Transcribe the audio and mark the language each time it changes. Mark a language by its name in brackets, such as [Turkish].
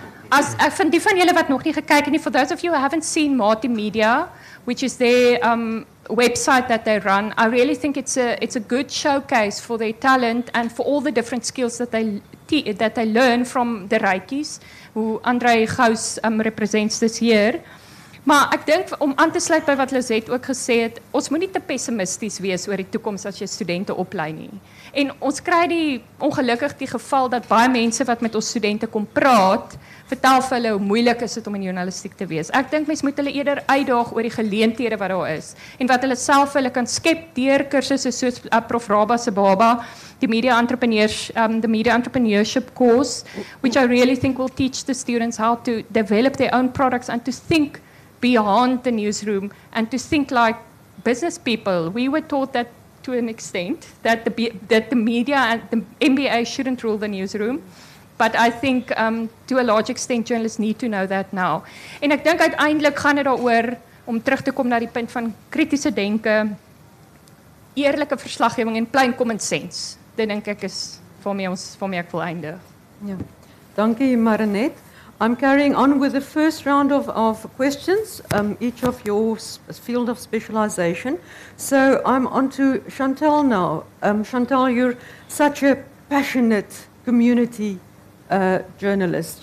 [Afrikaans] As ek van die van julle wat nog nie gekyk het nie, [English] for those of you who haven't seen Mati Media, which is their website that they run, I really think it's a good showcase for their talent and for all the different skills that they learn from the Reikies, who Andre Gous represents this year. [Afrikaans] Maar ek dink om aan te sluit by wat Lizette ook gesê het, ons moenie te pessimisties wees oor die toekoms as jy studente oplei nie. En ons kry die ongelukkig die geval dat baie mense wat met ons studente kom praat, vertel vir hulle hoe moeilik is dit om in journalistiek te wees. Ek dink mense moet hulle eerder uitdaag oor die geleenthede wat daar is en wat hulle self hulle kan skep deur kursusse soos Prof Raba se Baba, die Media Entrepreneurs the Media Entrepreneurship course, [English] which I really think will teach the students how to develop their own products and to think beyond the newsroom and to think like business people. We were taught that to an extent that the media and the MBA shouldn't rule the newsroom, but I think to a large extent journalists need to know that now. [Afrikaans] En ek dink uiteindelik gaan dit daaroor om terug te kom na die punt van kritiese denke, eerlike verslaggewing en [English] plain common sense. [Afrikaans] Dit dink ek is vir my ek wil eindig. Ja. Dankie Marinette. [English] I'm carrying on with the first round of questions, each of your field of specialization. So I'm on to Chantal now. Chantal, you're such a passionate community journalist.